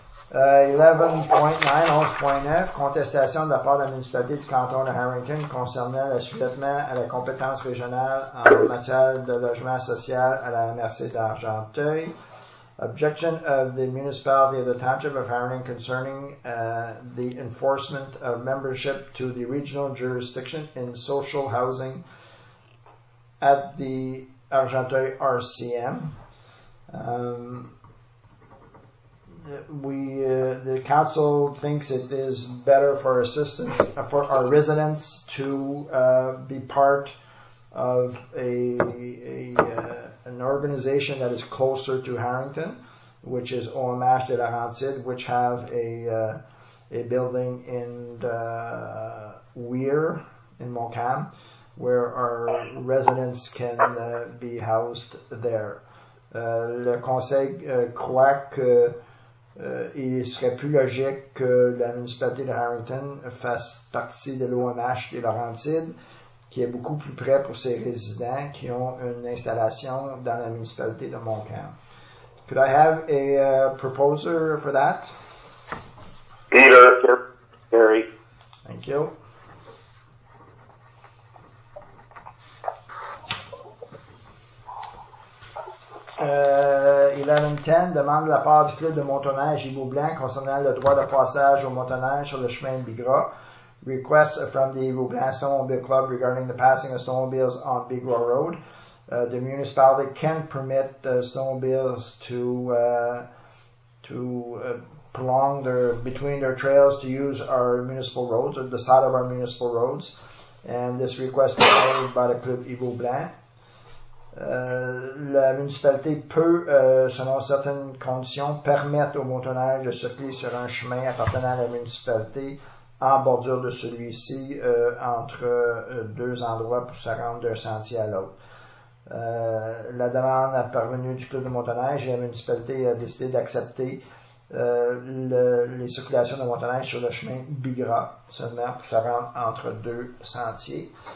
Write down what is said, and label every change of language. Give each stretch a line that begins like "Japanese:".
French: 11.9, 11.9, contestation de la part de la municipalité du canton de Harrington concernant le sujetement à la compétence régionale en matière de logement social à la MRC d'Argenteuil.
English: Objection of the municipality of the township of Harrington concerning the enforcement of membership to the regional jurisdiction in social housing at the Argenteuil RCM. The council thinks it is better for assistance for our residents to be part of an organization that is closer to Harrington, which is OMH de Laurentide, which have a building in Weir in Montcalm, where our residents can be housed there.
French: Le conseil croit qu'il serait plus logique que la municipalité de Harrington fasse partie de l'OMH des Laurentides, qui est beaucoup plus près pour ses résidents qui ont une installation dans la municipalité de Montcalm.
English: Could I have a proposer for that? Peter. Gary. Thank you.
French: Il a une tente, demande de la part du club de motoneige Hibou Blanc concernant le droit de passage au motoneige sur le chemin de Bigra.
English: Request from the Hibou Blanc Snowmobile Club regarding the passing of snowmobiles on Bigra Road. The municipality can permit snowmobiles to prolong between their trails to use our municipal roads or the side of our municipal roads. And this request is made by the club Hibou Blanc.
French: La municipalité peut, selon certaines conditions, permettre aux motoneiges de circuler sur un chemin appartenant à la municipalité en bordure de celui-ci entre deux endroits pour se rendre d'un sentier à l'autre. La demande a parvenu du club de motoneige et la municipalité a décidé d'accepter les circulations de motoneiges sur le chemin Bigra, seulement pour se rendre entre deux sentiers.